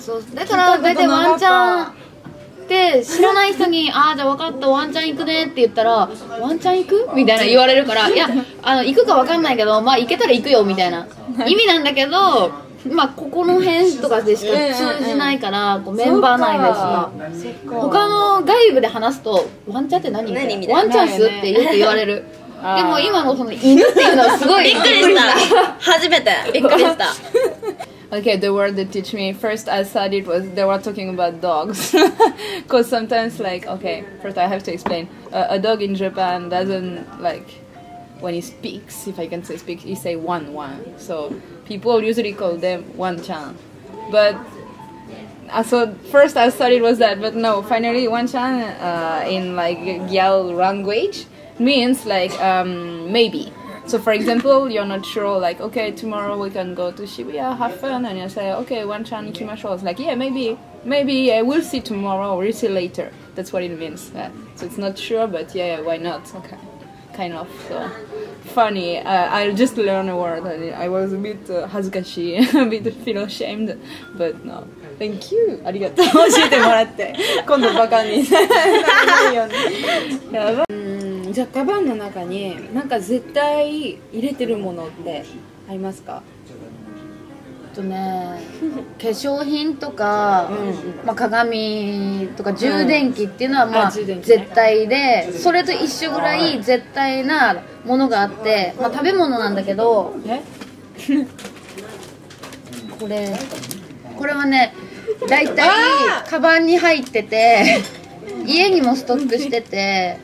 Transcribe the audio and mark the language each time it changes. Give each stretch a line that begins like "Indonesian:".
Japanese: そうだから大体ワンちゃんで知らない人に、あ、じゃあ分かったワンちゃん行くねって言ったら、ワンちゃん行くみたいな言われるから、いや、あの、行くか分かんないけど、まあ行けたら行くよみたいな意味なんだけど、まあここの辺とかでしか通じないから、こうメンバー内でしか、他の外部で話すとワンちゃんって何、ワンチャンスってよく言われる。でも今のその犬っていうのはすごいびっくりした、初めてびっくりした。
English: Okay, the word they teach me, first I thought it was, they were talking about dogs. Because sometimes, like, okay, first I have to explain. A dog in Japan doesn't, like, when he speaks, if I can say speak, he say one, one. So people usually call them one-chan. But, so first I thought it was that, but no, finally one-chan in, like, Gyal language means, like, maybe. So for example, you're not sure, like, okay, tomorrow we can go to Shibuya, have fun, and you say, okay, one-chan,
Japanese: ikimashou.
English: It's like, yeah, maybe, maybe, yeah, we'll see tomorrow, or we'll see later. That's what it means. Yeah. So it's not sure, but yeah, yeah, why not? Okay. Kind of, so. Funny, I just learned a word, and I was a bit
Japanese: hazukashi,
English: a bit feel ashamed, but no. Thank you!
Japanese: ありがとう、教えてもらって。今度バカにならないように。やばい。じゃあカバンの中に何か絶対入れてるものってありますか？ね、化粧品とか、うん、まあ、鏡とか充電器っていうのはまあ絶対で、それと一緒ぐらい絶対なものがあって、まあ、食べ物なんだけど、これはね、大体カバンに入ってて家にもストックしてて。